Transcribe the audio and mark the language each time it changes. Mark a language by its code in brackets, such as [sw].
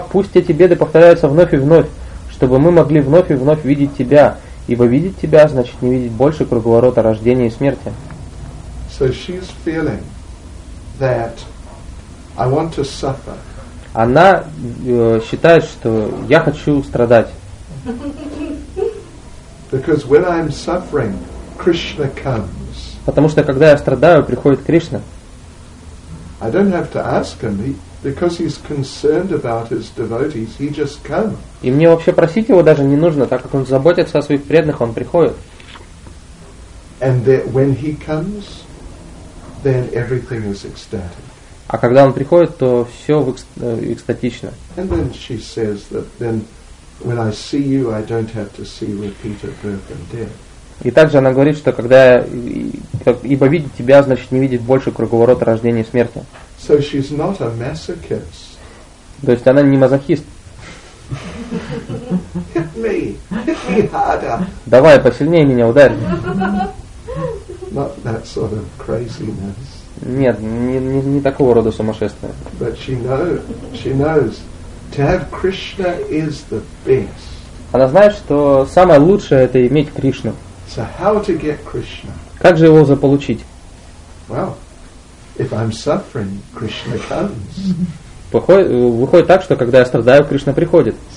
[ru] Пусть эти беды повторяются вновь и вновь, чтобы мы могли вновь и вновь видеть тебя, ибо видеть тебя значит не видеть больше круговорота рождения и смерти. [en] So she's feeling that I want to suffer. [ru] Она считает, что я хочу страдать. [en] Because when I'm suffering, Krishna comes. [ru] Потому что когда я страдаю, приходит Кришна. [en] I don't have to ask him. Because he's concerned about his devotees, he just comes. [ru] И мне вообще просить его даже не нужно, так как он заботится о своих преданных, он приходит. [en] And that when he comes, then everything is ecstatic. [ru] А когда он приходит, то все экстатично. [en] And then she says that then when I see you, I don't have to see repeated birth and death. [ru] И также она говорит, что когда ибо видеть тебя, значит не видеть больше круговорота рождения и смерти. [en] So she's not a masochist. [ru] То есть она не мазохист. [en] Hit me harder. [ru] Давай, посильнее меня ударь. [en] Not that sort of craziness. [ru] Нет, не такого рода сумасшествие. [en] But she knows. To have Krishna is the best. [ru] Она знает, что самое лучшее это иметь Кришну. [en] So how to get Krishna? [ru] Как же его заполучить? [en] Well, if I'm suffering, Krishna comes. [ru] выходит так, что когда я страдаю, Кришна приходит.